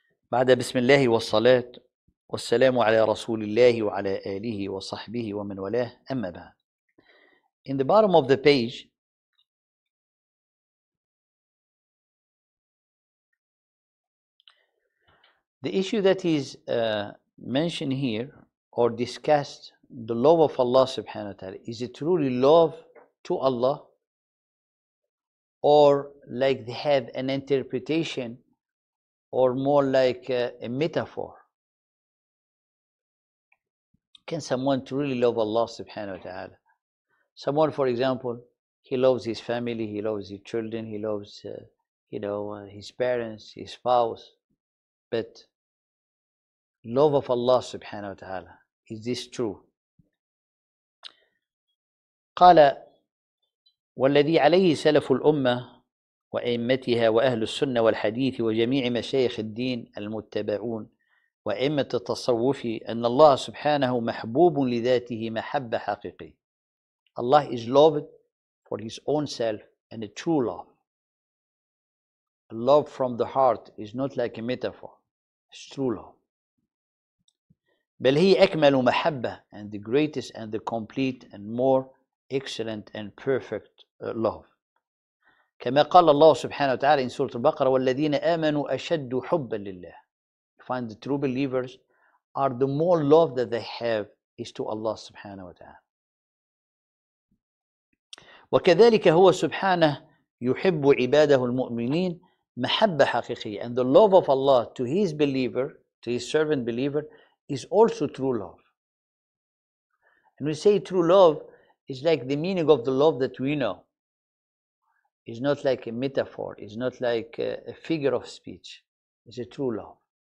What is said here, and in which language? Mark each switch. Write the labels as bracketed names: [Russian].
[Arabic] بعد بسم الله والصلاة والسلام على رسول الله وعلى آله وصحبه ومن والاه أما بعد. [English] In the bottom of the page, the issue that is mentioned here or discussed, the love of Allah subhanahu wa ta'ala, is it truly love to Allah or like they have an interpretation or more like a metaphor? Can someone truly love Allah subhanahu wa ta'ala? Someone, for example, he loves his family, he loves his children, he loves his parents, his spouse, but love of Allah subhanahu wa ta'ala, is this true? [Arabic] قال والذي عليه سلف الأمة وأئمتها وأهل السنة والحديث وجميع مشايخ الدين المتبعون وأئمة التصوف أن الله سبحانه محبوب لذاته محبة حقيقية. [English] Allah is loved for his own self and a true love. A love from the heart is not like a metaphor. It's true love. [Arabic] بل هي أكمل محبة [English] and the greatest and the complete and more excellent and perfect love. [Arabic] كما قال الله سبحانه وتعالى in Surah Al-Baqarah والذين آمنوا أشد حبا لله. [English] You find the true believers are the more love that they have is to Allah سبحانه وتعالى. [Arabic] وكذلك هو سبحانه يحب عباده المؤمنين محبة حقيقية. [English] And the love of Allah to his believer, to his servant believer, is also true love. And we say true love is like the meaning of the love that we know. It's not like a metaphor. It's not like a figure of speech. It's a true love.